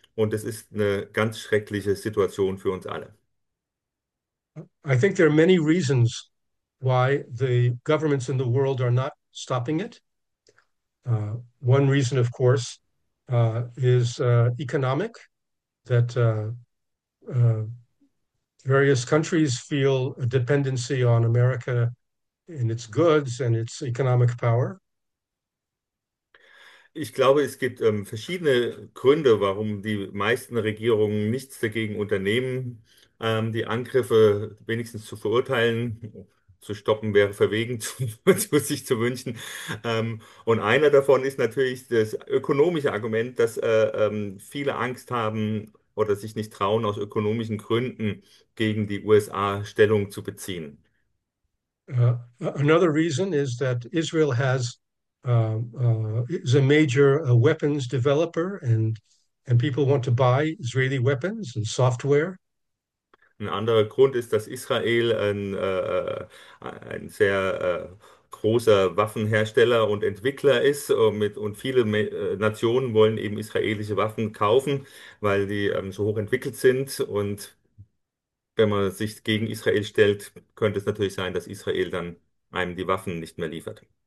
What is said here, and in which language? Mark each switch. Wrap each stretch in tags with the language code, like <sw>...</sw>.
<de>Und es ist eine ganz schreckliche Situation für uns alle.</de> <en>I think there are many reasons why the governments in the world are not stopping it. One reason, of course, is economic, that various countries feel a dependency on America in its goods and its economic power.</en> <de>Ich glaube, es gibt verschiedene Gründe, warum die meisten Regierungen nichts dagegen unternehmen, die Angriffe wenigstens zu verurteilen. Zu stoppen wäre verwegen, sich zu wünschen. Und einer davon ist natürlich das ökonomische Argument, dass viele Angst haben oder sich nicht trauen, aus ökonomischen Gründen gegen die USA Stellung zu beziehen.</de> <en>Another reason is that Israel has is a major weapons developer, and people want to buy Israeli weapons and software.</en> <de>Ein anderer Grund ist, dass Israel ein sehr großer Waffenhersteller und Entwickler ist und viele Nationen wollen eben israelische Waffen kaufen, weil die so hoch entwickelt sind. Und wenn man sich gegen Israel stellt, könnte es natürlich sein, dass Israel dann einem die Waffen nicht mehr liefert.</de>